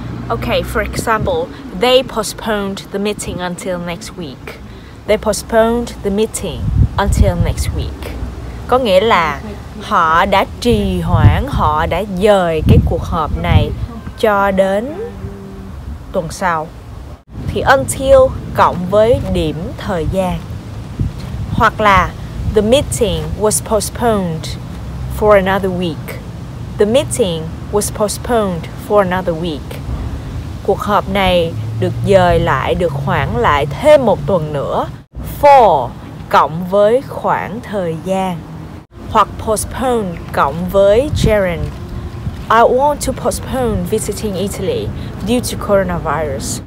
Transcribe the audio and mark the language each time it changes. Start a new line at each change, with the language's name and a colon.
English: Okay, for example, they postponed the meeting until next week. They postponed the meeting until next week.
Vietnamese: Có nghĩa là họ đã trì hoãn, họ đã dời cái cuộc họp này cho đến tuần sau. Thì until cộng với điểm thời gian. Hoặc là
English: the meeting was postponed for another week. The meeting was postponed for another week.
Vietnamese: Cuộc họp này được dời lại, được hoãn lại thêm một tuần nữa. For cộng với khoảng thời gian. Hoặc postpone cộng với gerund.
English: I want to postpone visiting Italy due to coronavirus.